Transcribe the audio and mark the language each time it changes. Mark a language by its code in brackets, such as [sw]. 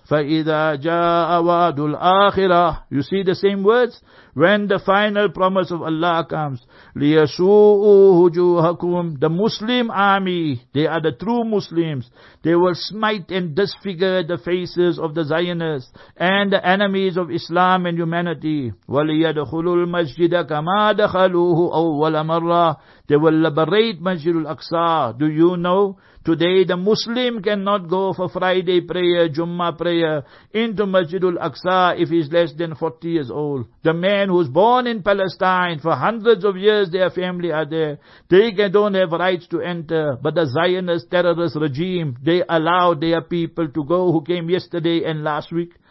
[ar] فَإِذَا جَاءَ وَعْدُ الْآخِرَةِ [en] You see the same words? When the final promise of Allah comes, [ar] لِيَسُوءُ هُجُوهَكُمْ [en] The Muslim army, they are the true Muslims. They will smite and disfigure the faces of the Zionists and the enemies of Islam and humanity. [ar] وَلِيَدْخُلُوا الْمَسْجِدَ كَمَا دَخَلُوهُ أَوَّلَ مَرَّةِ [en] They will liberate Masjidul Aqsa. Do you know? Today the Muslim cannot go for Friday prayer, Jummah prayer into Masjidul Aqsa if he's less than 40 years old. The man who's born in Palestine, for hundreds of years their family are there. They don't have rights to enter. But the Zionist terrorist regime, they allow their people to go who came yesterday and last week.